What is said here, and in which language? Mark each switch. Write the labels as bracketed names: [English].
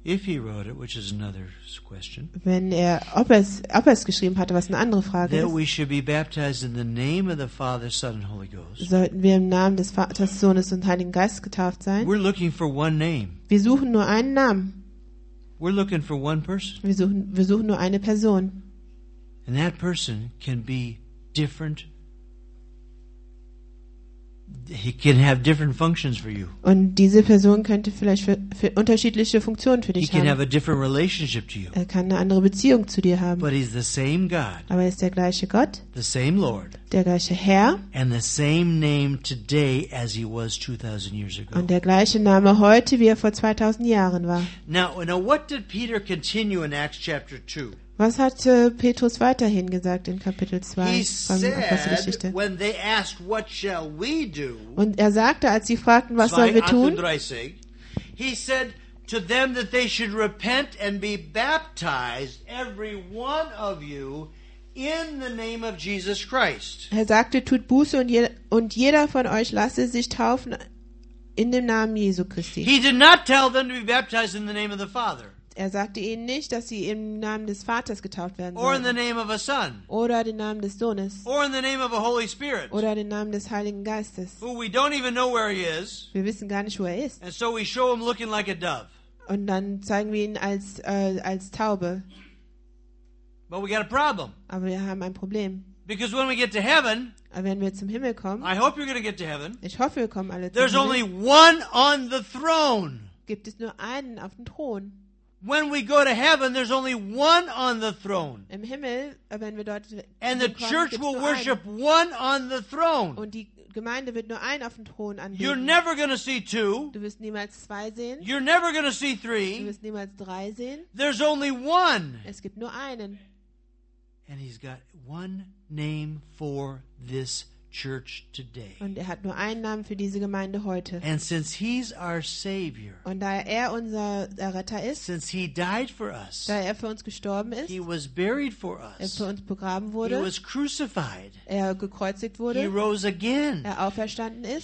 [English] If he wrote it, which is another question, [German] wenn er, ob er es geschrieben hatte, was eine andere Frage [English] that [German] ist, [English] we should be baptized in the name of the Father, Son, and Holy Ghost. [German] Sollten wir im Namen des Vaters, Sohnes und Heiligen Geistes getauft sein? [English] We're looking for one name. [German] Wir suchen nur einen Namen. [English] We're looking for one person. [German] Wir suchen nur eine Person. [English] And that person can be different. He can have different functions for you. [German] Und diese Person könnte vielleicht für unterschiedliche Funktionen für dich haben. [English] He can have a different relationship to you. [German] Er kann eine andere Beziehung zu dir haben. [English] But he's the same God. [German] Aber er ist der gleiche Gott. [English] The same Lord. [German] Der gleiche Herr. [English] And the same name today as he was 2000 years ago. [German] Und der gleiche Name heute, wie er vor 2000 Jahren war. [English] Now, what did Peter continue in Acts chapter 2? [German] Was hat Petrus weiterhin gesagt in Kapitel 2 von Apostelgeschichte? [English] When they asked, what shall we do? [German] Und er sagte, als sie fragten, was sollen wir tun? [English] 38, he said to them that they should repent and be baptized, every one of you, in the name of Jesus Christ. [German] Er sagte, tut Buße und jeder von euch lasse sich taufen in dem Namen Jesu Christi. [English] He did not tell them to be baptized in the name of the Father. [German] Er sagte ihnen nicht, dass sie im Namen des Vaters getauft werden sollen. Oder den Namen des Sohnes. Oder den Namen des Heiligen Geistes. Wir wissen gar nicht, wo er ist. [English] And so we show him looking like a dove. [German] Und dann zeigen wir ihn als Taube. [English] But we got a problem. [German] Aber wir haben ein Problem. [English] Because when we get to heaven, [German] wenn wir zum Himmel kommen, [English] I hope you're gonna get to heaven, [German] ich hoffe, wir kommen alle [English] there's [German] zum Himmel, [English] only one on the throne. [German] Gibt es nur einen auf dem Thron. [English] When we go to heaven, there's only one on the throne. [German] Im Himmel, wenn wir dort [English] and the church will worship [German] einen. [English] One on the throne. [German] Und die Gemeinde wird nur einen auf den Thron anbeten. [English] You're never going to see two. [German] Du wirst niemals zwei sehen. [English] You're never going to see three. [German] Du wirst niemals drei sehen. [English] There's only one. [German] Es gibt nur einen. [English] And he's got one name for this church today. [German] Und er hat nur einen Namen für diese Gemeinde heute. [English] And since he's our Savior, [German] und da er unser Retter ist, [English] since he died for us, [German] da er für uns gestorben ist, [English] he was buried for us, [German] er für uns begraben wurde, [English] he was crucified, [German] er gekreuzigt wurde, [English] he rose again, [German] er auferstanden ist,